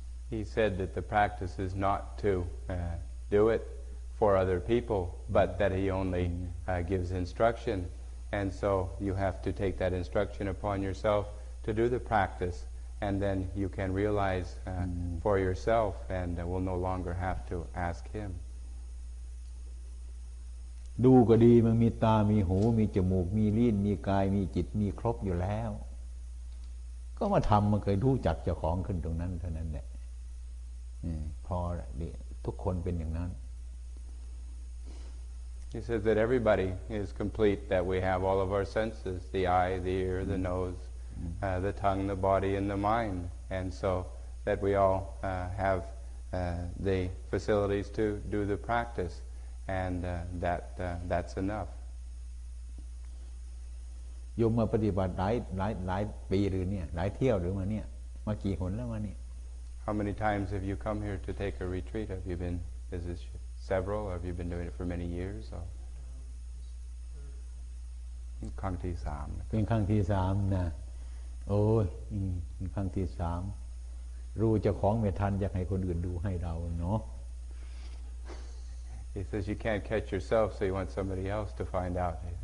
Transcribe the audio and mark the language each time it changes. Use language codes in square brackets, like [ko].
[en] He said that the practice is not to do it for other people, but that he only gives instruction, and so you have to take that instruction upon yourself to do the practice, and then you can realize for yourself, and will no longer have to ask him. [th] ดูก็ดีมันมีตามีหูมีจมูกมีลิ้นมีกายมีจิตมีครบอยู่แล้วก็มาทำมันเคยรู้จักเจ้าของขึ้นตรงนั้นเท่านั้นแหละพอละทุกคนเป็นอย่างนั้น [en] He says that everybody is complete, that we have all of our senses, the eye, the ear, the nose, the tongue, the body, and the mind, and so that we all have the facilities to do the practice, and that's enough. [th] โยมมาปฏิบัติหลายปีหรือเนี่ยหลายเที่ยวหรือมาเนี่ยมากี่หนแล้วมาเนี่ย [en] How many times have you come here to take a retreat? Have you been? Is this several? Or have you been doing it for many years? Or? [th] ครั้งที่สาม เป็นครั้งที่สามนะโอ้ยเป็นครั้งที่สามรู้จะของไม่ทันอยากให้คนอื่นดูให้เราเนาะ [en] He says you can't catch yourself, so you want somebody else to find out.